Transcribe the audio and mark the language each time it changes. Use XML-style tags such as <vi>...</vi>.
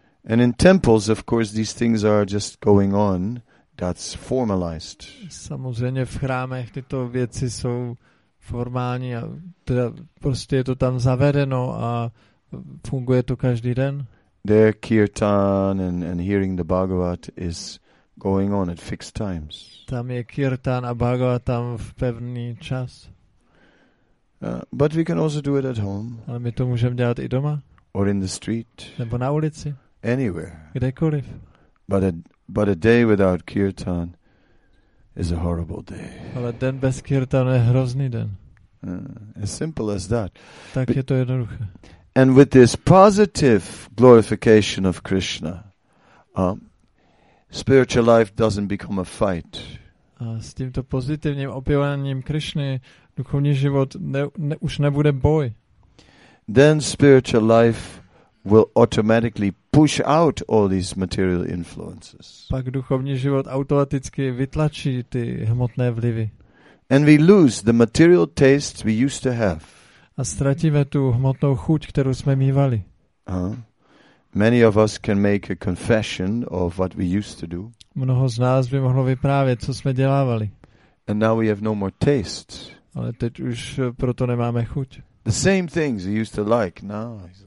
<en>And in temples, of course, these things are just going on. That's formalized.</en> <cs>Samozřejmě v chrámech tyto věci jsou formální a teda prostě je to tam zavedeno a funguje to každý den.</cs> <en>There kirtan and hearing the Bhagavat is going on at fixed times.</en> <cs>Tam je kirtan a Bhagavatam v pevný čas.</cs> <en>But we can also do it at home.</en> <cs>Ale my to můžeme dělat i doma.</cs> <en>Or in the street.</en> <cs>Nebo na ulici.</cs> <en>Anywhere.</en> <cs>Kdekoliv.</cs> <en>But a day without kirtan is a horrible day.</en> <cs>Ale den bez kirtanu je hrozný den.</cs> <en>As simple as that.</en> <cs>Tak je to jednoduché.</cs> <en>And with this positive glorification of Krishna, spiritual life doesn't become a fight.</en> <cs>A s tímto pozitivním opěvaním Krishny duchovní život už nebude boj.</cs> <en>Then spiritual life will automatically push out all these material influences.</en> <cs>Pak duchovní život automaticky vytlačí ty hmotné vlivy.</cs> <en>And we lose the material tastes we used to have.</en> <cs>A ztratíme tu hmotnou chuť, kterou jsme mívali.</cs> <en>Many of us can make a confession of what we used to do.</en> <cs>Mnoho z nás by mohlo vyprávět, co jsme dělávali.</cs> <en>And now we have no more taste.</en> <cs>Ale teď už proto nemáme chuť.</cs> <en>The same things we used to like now.</en>